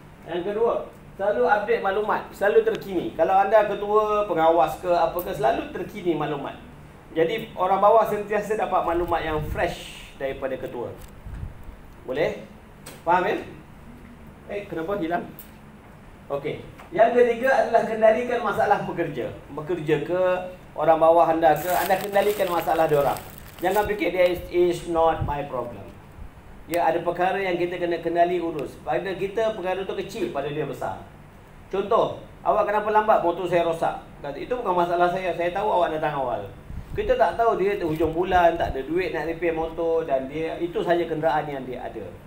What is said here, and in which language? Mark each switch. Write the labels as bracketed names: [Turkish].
[Malay] Yang kedua, selalu update maklumat, selalu terkini. Kalau anda ketua, pengawas ke, apakah, selalu terkini maklumat. Jadi, orang bawah sentiasa dapat maklumat yang fresh daripada ketua. Boleh? Faham ya? Eh, kenapa hilang? Okey. Yang ketiga adalah kendalikan masalah pekerja. Bekerja ke, orang bawah anda ke, anda kendalikan masalah diorang. Jangan fikir, [English] this is not my problem. [Malay] Ya, ada perkara yang kita kena kendali urus. Pada kita, perkara itu kecil, pada dia besar. Contoh, awak kenapa lambat, motor saya rosak. Itu bukan masalah saya tahu awak datang awal. Kita tak tahu dia hujung bulan, tak ada duit nak repair motor dan dia itu sahaja kenderaan yang dia ada.